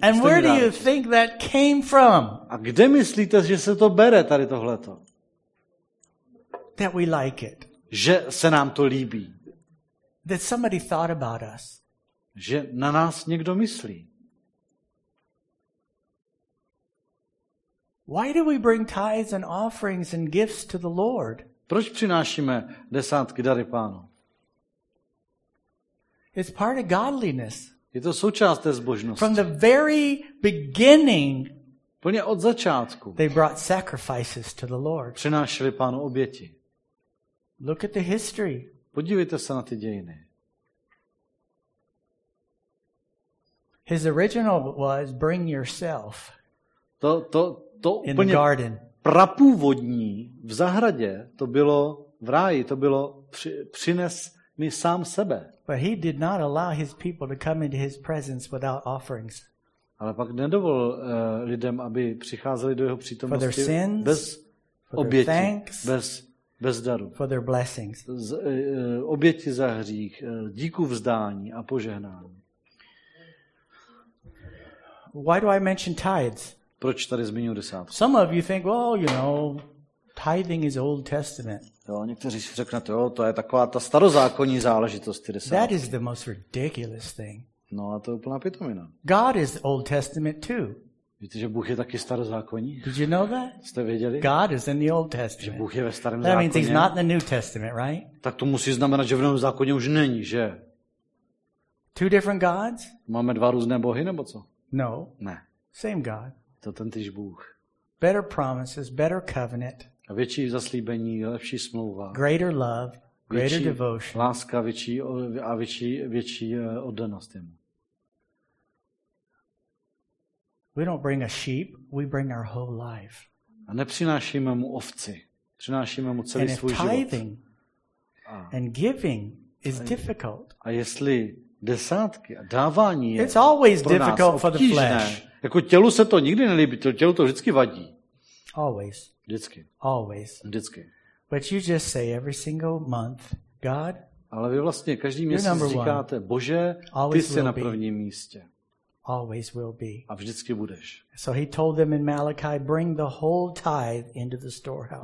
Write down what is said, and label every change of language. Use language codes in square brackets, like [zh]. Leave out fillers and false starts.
[en] And where do you think that came from? [cs] A kde myslíte, že se to bere tady tohleto? [en] That we like it. [cs] Že se nám to líbí. [en] That somebody thought about us. [cs] Že na nás někdo myslí. [en] Why do we bring tithes and offerings and gifts to the Lord? [cs] Proč přinášíme desátky dary Pánu? [en] It's part of godliness. [cs] Je to součást té zbožnosti. [en] From the very beginning. [cs] Plně od začátku. [en] They brought sacrifices to the Lord. [cs] Přinášeli Pánu oběti. [en] Look at the history. [cs] Podívejte se na ty dějiny. [en] His original was bring yourself. [cs] To úplně prapůvodní v zahradě, to bylo v ráji, to bylo přines mi sám sebe. [en] But he did not allow his people to come into his presence without offerings. [cs] Ale pak nedovol lidem, aby přicházeli do jeho přítomnosti [en] for their sins, [cs] bez oběti, [en] for their thanks, [cs] bez daru. [en] For their blessings. [cs] Oběti za hřích, díku vzdání a požehnání. [en] Why do I mention tithes? [cs] Proč tady zmiňuji desátky? [en] Some of you think, well, you know, tithing is Old Testament. [cs] Jo, někteří si řeknete, jo, to je taková ta starozákonní záležitost, ty desátky. [en] That is the most ridiculous thing. [cs] No, a to je úplná pitomina. [en] God is Old Testament too. [cs] Víte, že Bůh je taky starozákonní? [en] Did you know that? [cs] Jste věděli? [en] God is in the Old Testament. [cs] Že Bůh je ve starém zákoně. [en] That means he's not in the New Testament, right? [cs] Tak to musí znamenat, že v novém zákoně už není, že? [en] Two different gods? [cs] Máme dva různé bohy nebo co? [en] No. [cs] Ne. [en] Same God. [cs] To ten týž Bůh. [en] Better promises, better covenant. [cs] A větší zaslíbení, lepší smlouva. [en] Greater love, greater devotion. [cs] Láska větší a větší oddanost jemu. [en] We don't bring a sheep, we bring our whole life. [cs] A nepřinášíme mu ovci, přinášíme mu celý svůj život. [en] And tithing and giving is difficult. [cs] A jestli desátky a dávání je [en] it's always [cs] pro [en] difficult [cs] nás obtížné, [en] for the flesh. [cs] Jako tělu se to nikdy nelíbí, tělu to vždycky vadí. [en] Always. [cs] Vždycky. [en] Always. [cs] Vždycky. [en] But you just say every single month, God. [cs] Ale vy vlastně každý měsíc říkáte, Bože, ty jsi na prvním místě. [en] Always will be. [cs] A vždycky budeš. [en] So he told them in Malachi, bring the whole tithe into the storehouse.